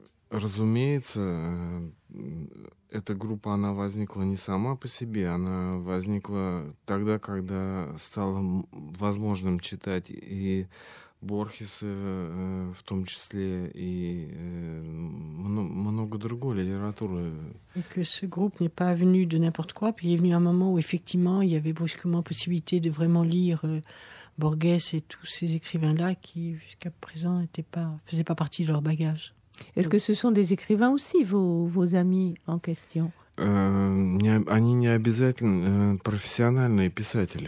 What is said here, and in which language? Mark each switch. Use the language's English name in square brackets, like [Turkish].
[Russian] Разумеется, эта группа, она возникла не сама по себе, она возникла тогда, когда стало возможным читать и Борхеса, в том числе, и много другой литературы. [French] Et que ce groupe n'est pas venu de n'importe quoi, puis il est venu à un moment où, effectivement, il y avait brusquement possibilité de vraiment lire Borges et tous ces écrivains-là qui, jusqu'à présent, faisaient pas partie de leur bagage. Est-ce que ce sont des écrivains aussi, vos amis en question? [Russian] Они не обязательно профессиональные писатели.